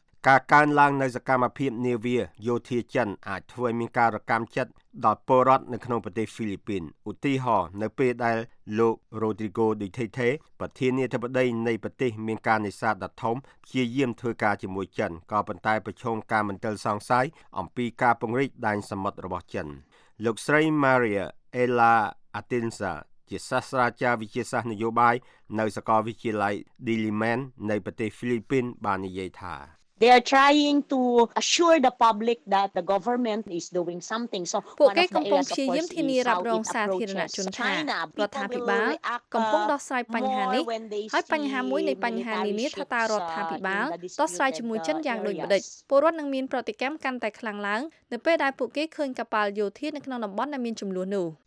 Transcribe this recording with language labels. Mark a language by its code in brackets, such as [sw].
[km] ការកើនឡើងនៃសកម្មភាពនាវាយោធាចិនអាចធ្វើឲ្យមានការរកម្មចិត្តដល់ពលរដ្ឋនៅក្នុងប្រទេសហ្វីលីពីនឧទាហរណ៍នៅពេលដែលលោករ៉ូទ្រីโกឌីទេថេប្រធានាធិបតីនៃប្រទេសមានការនេសាទដ៏ធំព្យាយាមធ្វើការជាមួយចិនក៏ប៉ុន្តែប្រឈមការមិនទល់សង្ស័យអំពីការពង្រីកដែនសមុទ្ររបស់ចិនលោកស្រីម៉ារីយ៉ាអេឡាអាទិនសាជាសាស្ត្រាចារ្យវិទ្យាសាស្ត្រនយោបាយនៅសាកលវិទ្យាល័យឌីលីមែននៃប្រទេសហ្វីលីពីនបាននិយាយថា [en] They are trying to assure the public that the government is doing something. So, [km] ពួកគេកំពុងព្យាយាមធានារ៉ាប់រងសាធារណជនថាប្រតិភិបាលកំពុងដោះស្រាយបញ្ហានេះហើយបញ្ហាមួយនៃបញ្ហានេះមានថាតើរដ្ឋាភិបាលដោះស្រាយជាមួយចិនយ៉ាងដូចម្តេចពលរដ្ឋនឹងមានប្រតិកម្មកាន់តែខ្លាំងឡើងនៅពេលដែលពួកគេឃើញកប៉ាល់យោធានៅក្នុងតំបន់ដែលមានចំនួននោះ